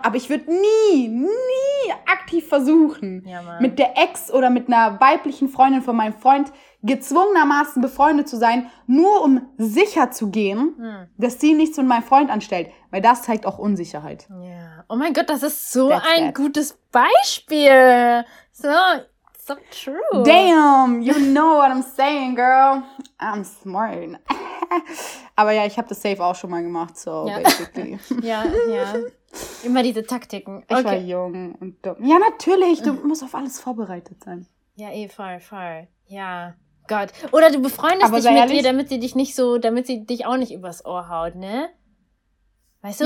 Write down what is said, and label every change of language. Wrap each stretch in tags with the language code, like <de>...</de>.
<de>Aber ich würde nie aktiv versuchen, mit der Ex oder mit einer weiblichen Freundin von meinem Freund gezwungenermaßen befreundet zu sein, nur um sicher zu gehen, dass sie nichts mit meinem Freund anstellt. Weil das zeigt auch Unsicherheit. Ja. Oh mein Gott, das ist so gutes Beispiel.</de> <en>So true. Damn, you know what I'm saying, girl. I'm smart.</en> <de>Aber ja, ich habe das safe auch schon mal gemacht,</de> <en>so basically.</en> <de>Ja. Immer diese Taktiken. Okay. Ich war jung und dumm. Ja, natürlich, du musst auf alles vorbereitet sein. Ja, voll. Ja. Gott. Oder du befreundest dich mit ihr, damit sie dich auch nicht übers Ohr haut, ne? Weißt du?</de>